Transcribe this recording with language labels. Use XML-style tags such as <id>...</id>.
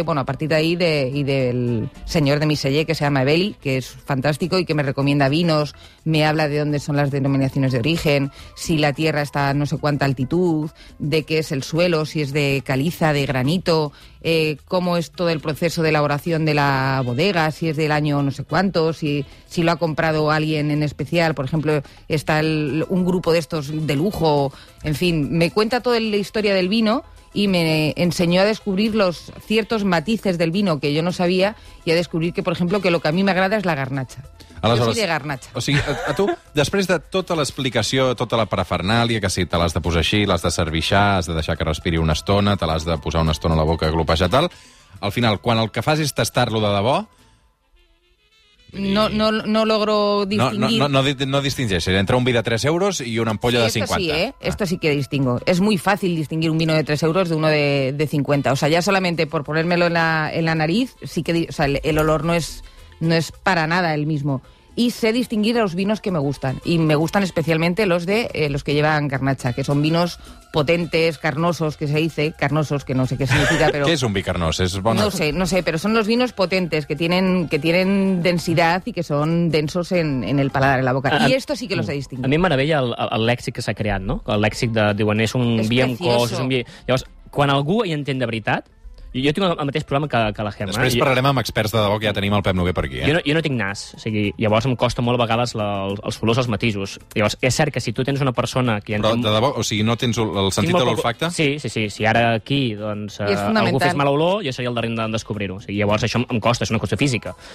<es>Bueno, a partir de ahí y del señor de mi celler, que se llama Ebeli, que es fantástico y que me recomienda vinos, me habla de dónde son las denominaciones de origen, si la tierra está a no sé cuánta altitud, de qué es el suelo, si es de caliza, de granito, cómo es todo el proceso de elaboración de la bodega, si es del año no sé cuánto, si lo ha comprado alguien en especial, por ejemplo, está un grupo de estos de lujo, en fin, me cuenta toda la historia del vino... Y me enseñó a descubrir los ciertos matices del vino que yo no sabía y a descubrir que, por ejemplo, que lo que a mí me agrada es la garnacha.</es> <ca>Aleshores,</ca> <es>jo soy de garnacha.</es> <ca>O sigui, a tu, després de tota l'explicació, tota la parafernàlia, que si te l'has de posar així, l'has de servixar, has de deixar que respiri una estona, te l'has de posar una estona a la boca, glopejar, tal, al final, quan el que fas és tastar-lo de debò...</ca> <es>No logro distinguir.</es> <ca>No distingeix entre un vi de 3 euros i una ampolla de 50.</ca> <es>Sí, esto sí que distingo. Es muy fácil distinguir un vino de 3 euros de uno de 50. O sea, ya solamente por ponérmelo en la nariz, sí que, o sea, el olor no es para nada el mismo. Y sé distinguir los vinos que me gustan. Y me gustan especialmente los de los que llevan garnacha, que son vinos potentes, carnosos, que se dice, carnosos, que no sé qué significa, pero... ¿Qué es un bicarnoso? ¿Es bueno? No sé, pero son los vinos potentes, que tienen densidad y que son densos en el paladar, en la boca. Y esto sí que los he distinguido. A mí me maravilla el léxico que se ha creado, ¿no? El léxico de, bueno, es un bien cos, es un</es> <ca>bien... Llavors, cuando algú hi entén de veritat, Jo tinc el mateix problema que la Gemma. Després parlarem amb experts de debò, que ja tenim el Pep Noguer per aquí. Eh? Jo no tinc nas, o sigui, llavors em costa molt a vegades els olors, els matisos. Llavors, és cert que si tu tens una persona... Que però de debò, o sigui, no tens el sentit de l'olfacte? Sí. Si ara aquí doncs, algú fes mal olor, jo seria el darrer en descobrir-ho. O sigui, llavors, això em costa, és una cosa física.</ca>